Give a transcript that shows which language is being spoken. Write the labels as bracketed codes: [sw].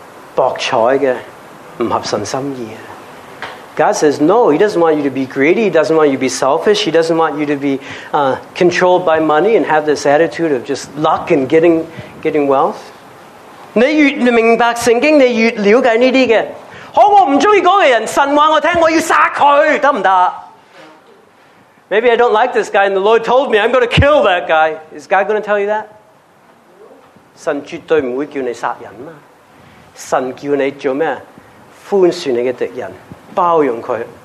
[zh] 不合神心意。神叫我们不要贪心，不要贪便宜，不要有这些自私自利的心态，博彩的，不合神心意。 [en] God says, no, he doesn't want you to be greedy, he doesn't want you to be selfish, he doesn't want you to be controlled by money and have this attitude of just luck and getting wealth. [zh] 你越明白圣经，你越了解这些的。好，我不喜欢那个人，神说我听，我要杀他，行不行？ [en] Maybe I don't like this guy and the Lord told me I'm going to kill that guy. Is God going to tell you that? [zh] 神绝对不会叫你杀人，神叫你做什么？宽恕你的敌人。